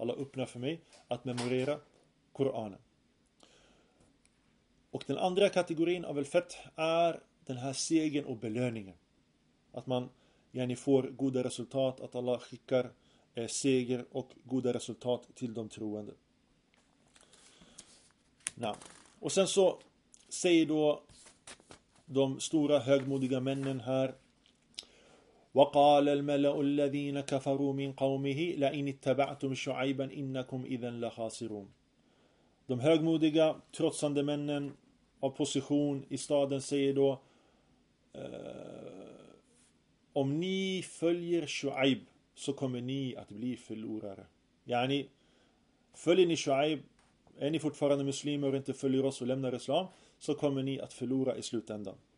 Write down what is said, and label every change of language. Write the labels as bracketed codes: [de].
[sv] Allah öppnar för mig att memorera Koranen. Och den andra kategorin av al-fath är den här segern och belöningen. Att man gärna får goda resultat. Att Allah skickar seger och goda resultat till de troende. Och sen så säger då de stora högmodiga männen här: [ar] وَقَالَ الْمَلَأُ الَّذِينَ كَفَرُوا مِنْ قَوْمِهِ لَإِنِ اتَّبَعْتُمْ شُعَيْبًا إِنَّكُمْ إِذًا لَخَاسِرُونَ. [sv] De högmodiga, trotsande männen av position i staden säger då: om ni följer Shu'aib så kommer ni att bli förlorare. Yani, följer ni Shu'aib, är ni fortfarande muslimer och inte följer oss och lämnar islam, så kommer ni att förlora i slutändan.